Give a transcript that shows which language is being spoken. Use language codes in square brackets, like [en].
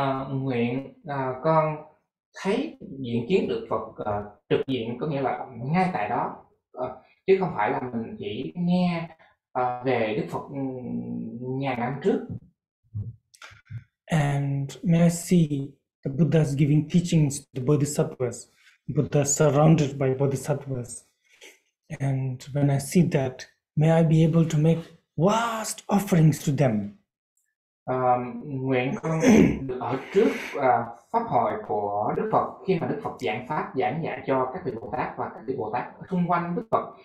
[vi] Nguyện con thấy diện kiến được Phật trực diện, có nghĩa là ngay tại đó, chứ không phải là mình chỉ nghe về Đức Phật ngàn năm trước. [en] And may I see the Buddhas giving teachings to the Bodhisattvas, Buddha surrounded by Bodhisattvas. And when I see that, may I be able to make vast offerings to them. [vi] Nguyện con được ở trước pháp hội của Đức Phật, khi mà Đức Phật giảng pháp, giảng dạy cho các vị Bồ Tát và các vị Bồ Tát xung quanh Đức Phật.